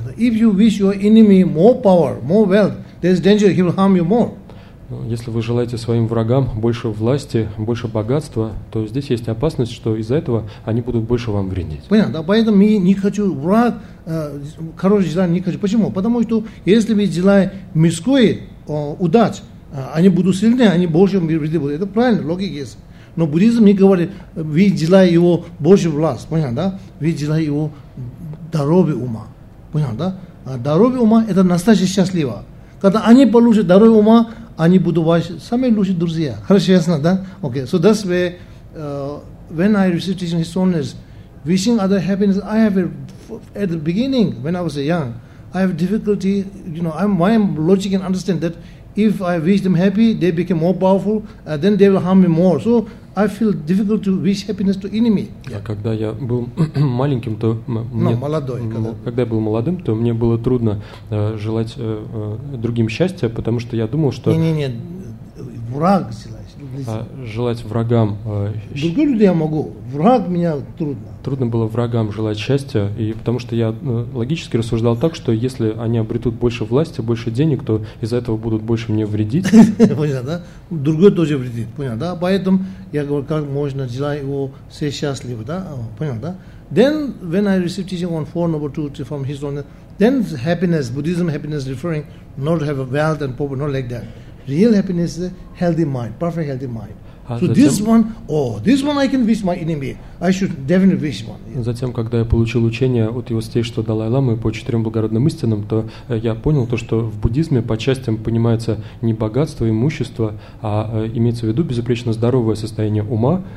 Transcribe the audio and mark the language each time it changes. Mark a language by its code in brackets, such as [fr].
[en] If you wish your enemy more power, more wealth, there's danger he will harm you more. [ru] Если вы желаете своим врагам больше власти, больше богатства, то здесь есть опасность, что из-за этого они будут больше вам вредить. Понятно, да, поэтому я не хочу враг, хорошие дела не хочу. Почему? Потому что если вы желаете мирской удач, они будут сильнее, они больше вреды будут. Это правильно, логика есть. Но буддизм не говорит, вы желаете его больше власть, понятно, да? Вы желаете его здоровье ума, понятно, да? Здоровье ума – это настоящее счастливо. Когда они получат здоровье ума, они будут ваши самые лучшие друзья. Хорошо, ясно, да? [en] Okay, so that's where, when I received teaching His Holiness, wishing other happiness, I have at the beginning, when I was young, I have difficulty, you know, my logic can understand that if I wish them happy, they become more powerful, then they will harm me more. So I feel difficult to wish happiness to enemy. [ru] Когда я был маленьким, то мне когда я был молодым, то мне было трудно желать другим счастья, потому что я думал, что не враг желать врагам. Другие люди я могу. Враг меня трудно. Трудно было врагам желать счастья, и потому что я логически рассуждал так, что если они обретут больше власти, больше денег, то из-за этого будут больше мне вредить. Понял, да? Другой тоже вредит, понял, да? Поэтому я говорю, как можно делать его все счастливы, да? Понял, да? [en] Then, when I received teaching on 4 Noble Truths from His Holiness, then happiness, Buddhism happiness referring not to have wealth and poverty, not like that. Real happiness is a healthy mind, perfect healthy mind. [ru] Затем, когда я получил учение от его святейшества Далай-ламы по четырем благородным истинам, то я понял то, что в буддизме по частям понимается не богатство, имущество, а имеется в виду безупречно здоровое состояние ума.